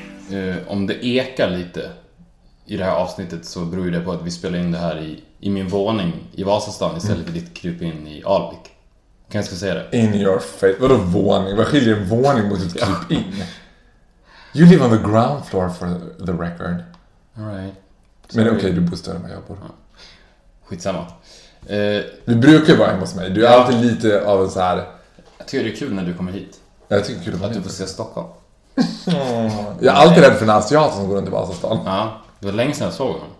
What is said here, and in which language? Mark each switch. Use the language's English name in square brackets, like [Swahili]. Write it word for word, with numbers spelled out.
[Swedish] Eh, om det ekar lite i det här avsnittet så beror ju det på att vi spelar in det här i, i min våning i Vasastan istället för ditt kryp in i Alvik. Kan jag ska säga det? [English] In your face. [Swedish] Vadå våning? Vad skiljer en våning mot ett kryp in? [English] You live on the ground floor for the record. All right. [Swedish] Men okej, du bor större än vad jag bor. Skitsamma. Eh, Du brukar ju vara hemma hos mig. Du är Ja. alltid lite av en så här... jag tycker det är kul när du kommer hit. Jag tycker kul om Att du det. får se Stockholm. Jag är alltid rädd för en asiat som går runt i Vasastan. Ja, det var länge sedan jag såg honom.